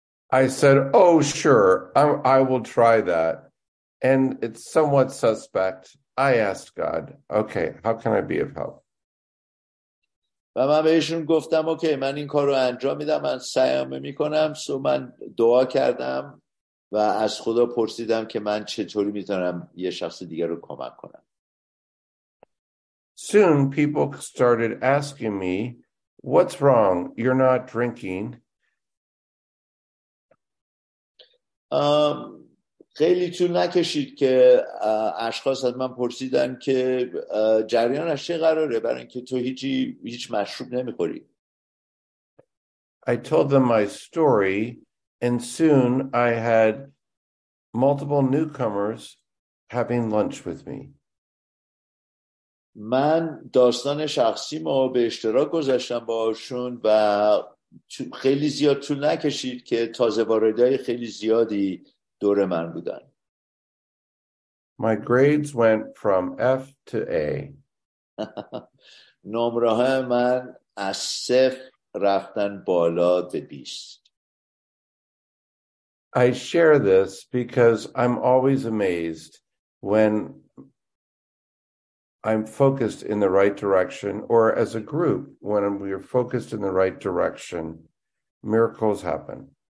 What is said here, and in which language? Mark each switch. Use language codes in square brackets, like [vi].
[en] I said, oh, sure, I will try that. And it's somewhat suspect. I asked God, okay, how can I be of help? [fa] و من بهشون گفتم اوکی من این کارو انجام میدم، من سعیم میکنم. سو من دعا کردم و از خدا پرسیدم که من چطوری میتونم یه شخص دیگر رو کمک کنم. [en] Soon people started asking me, what's wrong? You're not drinking. [fa] خیلی طول نکشید که اشخاص از من پرسیدن که جریانش چه قراره برای اینکه تو هیچ مشروب نمیخوری. [en] I told them my story, and soon I had multiple newcomers having lunch with me. [fa] من داستان شخصی ما به اشتراک گذاشتم باشون و خیلی زیاد طول نکشید که تازه واردهای خیلی زیادی دور من بودن. [en] My grades went from F to A. [fa] نمره من از صفر رفتن بالا به 20. [en] I share this because I'm always amazed when I'm focused in the right direction, or as a group, when we are focused in the right direction, miracles happen.